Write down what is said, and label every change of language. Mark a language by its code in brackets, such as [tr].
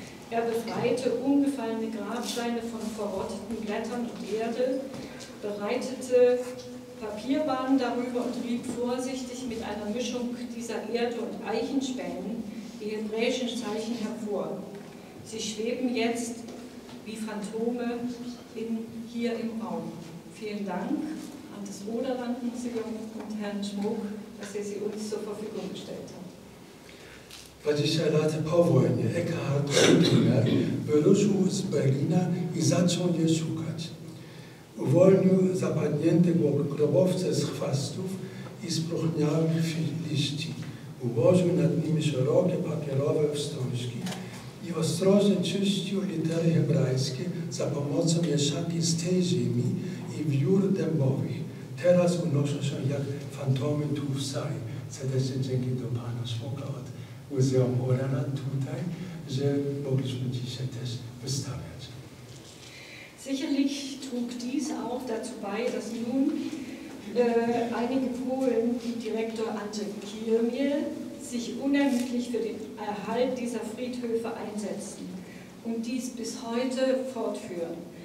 [de] Er befreite umgefallene Grabsteine von verrotteten Blättern und Erde, bereitete Papierbahnen darüber und rieb vorsichtig mit einer Mischung dieser Erde und Eichenspänen die hebräischen Zeichen hervor. Sie schweben jetzt wie Phantome hier im Raum. Vielen Dank an das Oderlandmuseum und Herrn Schmuck, dass er sie uns zur Verfügung gestellt hat. [pl] 20 lata po wojnie Eckhard Rutenberg wyruszył z Berlina i zaczął je szukać. Uwolnił zapadnięte grobowce z chwastów i spróchniałych liści. Ułożył nad nimi szerokie papierowe wstążki i ostrożnie czyścił litery hebrajskie za pomocą mieszanki z tej ziemi i wiór dębowych. Teraz unoszą się jak fantomy tu w sali. Serdecznie dzięki do Pana Szmoka od Muzeum Orana tutaj, że mogliśmy dzisiaj też wystawiać. [de] Sicherlich trug dies auch dazu bei, dass nun einige Polen, die Direktor Antje Kiermiel, sich unermüdlich für den Erhalt dieser Friedhöfe einsetzen und dies bis heute fortführen.